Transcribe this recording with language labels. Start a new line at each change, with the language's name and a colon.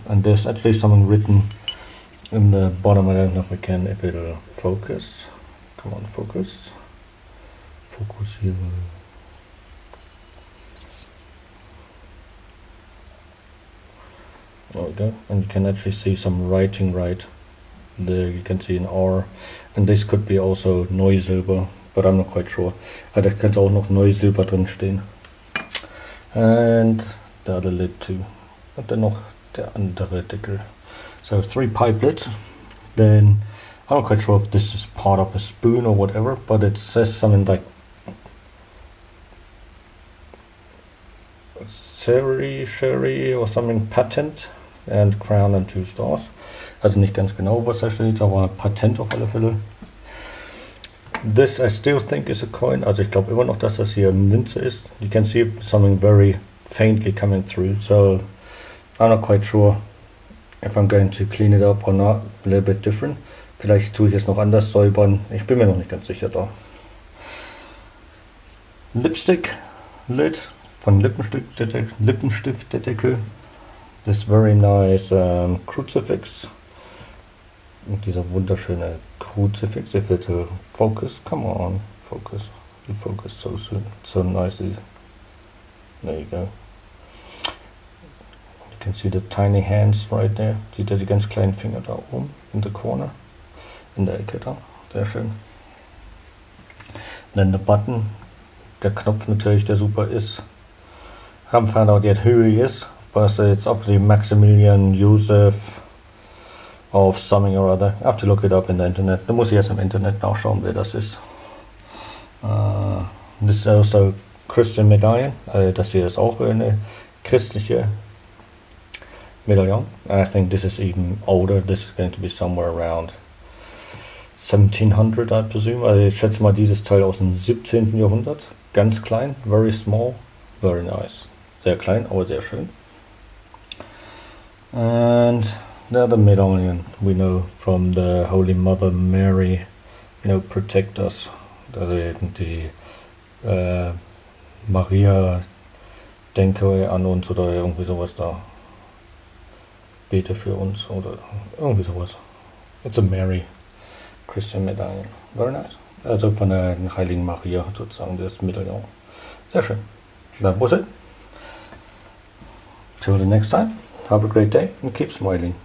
English: And there's actually something written in the bottom. I don't know if I can, if it'll focus. Come on, focus. Focus hier. Okay, and you can actually see some writing right. There you can see an R, and this could be also Neusilber, but I'm not quite sure.
German: Ah, da könnte auch noch Neusilber drin stehen.
English: And the other lid too.
German: Und dann noch der andere Deckel.
English: So three pipe lids. Then I'm not quite sure if this is part of a spoon or whatever, but it says something like Sherry, Sherry or something patent and crown and two stars.
German: Also nicht ganz genau, was da steht, aber Patent auf alle Fälle.
English: This I still think is a coin.
German: Also ich glaube immer noch, dass das hier eine Münze ist.
English: You can see something very faintly coming through. So I'm not quite sure if I'm going to clean it up or not. A little bit different.
German: Vielleicht tue ich es noch anders säubern. Ich bin mir noch nicht ganz sicher da.
English: Lipstick Lid
German: von Lippenstift der Deckel.
English: This very nice crucifix.
German: Und dieser wunderschöne Crucifix,
English: if it's a focus, come on, focus. You focus so soon, so nicely. There you go. You can see the tiny hands right there.
German: Sieht ihr die ganz kleinen Finger da oben
English: in the corner?
German: In der Ecke da, sehr schön. Dann der Button, der Knopf natürlich, der super ist.
English: Haben found out yet who he is, but it's obviously Maximilian Joseph of something or other. I have to look it up in the internet.
German: Da muss ich erst im Internet nachschauen, wer das ist.
English: This is also Christian Medallion.
German: Das hier ist auch eine christliche Medaillon.
English: I think this is even older. This is going to be somewhere around 1700, I presume.
German: Also ich schätze mal, dieses Teil aus dem 17. Jahrhundert. Ganz klein,
English: very small, very nice.
German: Sehr klein, aber sehr schön.
English: And the other medallion we know from the Holy Mother Mary, you know, protect us.
German: Also die Maria denke an uns oder irgendwie sowas da. Bete für uns oder irgendwie sowas.
English: It's a Mary Christian Medallion. Very nice.
German: Also von der Heiligen Maria sozusagen, das Medaillon. Sehr schön.
English: That was it. Till the next time, have a great day and keep smiling.